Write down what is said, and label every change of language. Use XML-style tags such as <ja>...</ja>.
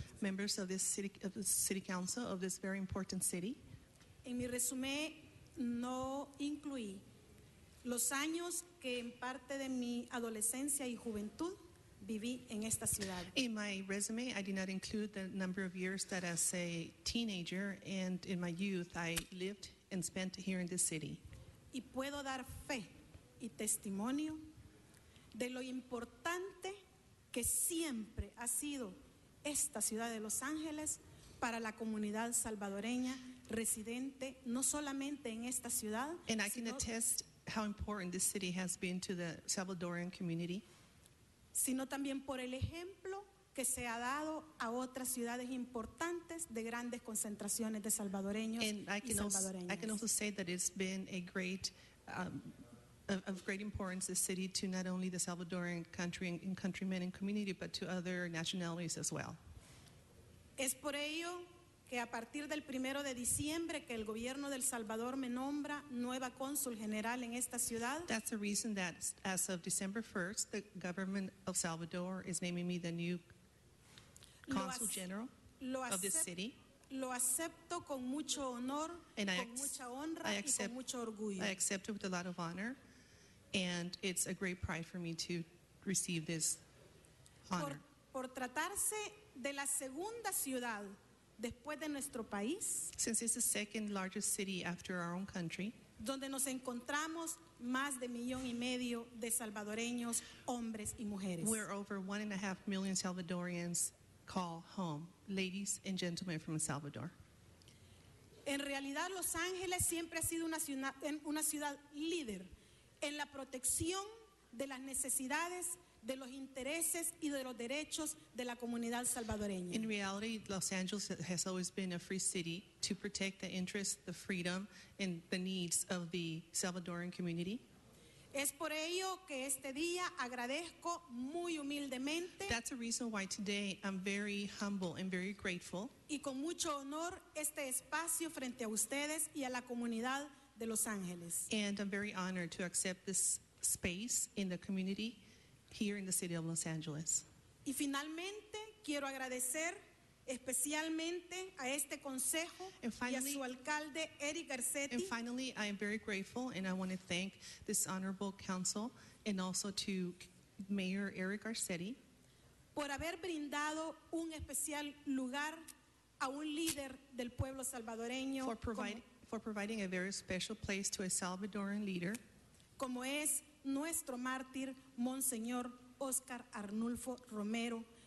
<en>Members of this city, of the city council of this very important city.</en> <es>En mi resume no incluí los años que en parte de mi adolescencia y juventud viví en esta ciudad.</es> <en>In my resume, I did not include the number of years that as a teenager and in my youth I lived and spent here in this city.</en> <es>Y puedo dar fe y testimonio de lo importante que siempre ha sido esta ciudad de Los Ángeles para la comunidad salvadoreña residente, no solamente en esta ciudad.</es> <en>And I can attest how important this city has been to the Salvadorian community.</en> <es>Sino también por el ejemplo que se ha dado a otras ciudades importantes de grandes concentraciones de salvadoreños y salvadoreñas.</es> <en>I can also say that it's been a great, of great importance, this city to not only the Salvadorian country and countrymen and community, but to other nationalities as well.</en> <es>Es por ello que a partir del primero de diciembre que el gobierno del Salvador me nombra nueva cónsul general en esta ciudad.</es> <en>That's the reason that as of December 1st, the government of Salvador is naming me the new consul general of this city.</en> <es>Lo acepto con mucho honor, con mucha honra y con mucho orgullo.</es> <en>I accept it with a lot of honor, and it's a great pride for me to receive this honor.</en> <es>Por tratarse de la segunda ciudad después de nuestro país,</es> <en>since it's the second largest city after our own country,</en> <es>donde nos encontramos más de 1.5 million de salvadoreños, hombres y mujeres.</es> <en>We're over 1.5 million Salvadorians call home, ladies and gentlemen from El Salvador.</en> <es>En realidad, Los Ángeles siempre ha sido una ciudad líder en la protección de las necesidades, de los intereses y de los derechos de la comunidad salvadoreña.</es> <en>In reality, Los Angeles has always been a free city to protect the interests, the freedom, and the needs of the Salvadoran community.</en> <es>Es por ello que este día agradezco muy humildemente.</es> <en>That's the reason why today I'm very humble and very grateful.</en> <es>Y con mucho honor este espacio frente a ustedes y a la comunidad de Los Ángeles.</es> <en>And I'm very honored to accept this space in the community here in the city of Los Angeles.</en> <es>Y finalmente quiero agradecer especialmente a este consejo y a su alcalde Eric Garcetti.</es> <en>And finally, I am very grateful and I want to thank this honorable council and also to Mayor Eric Garcetti</en> <es>por haber brindado un especial lugar a un líder del pueblo salvadoreño.</es> <en>For providing a very special place to a Salvadoran leader</en> <es>como es nuestro mártir Monseñor Oscar Arnulfo Romero.</es>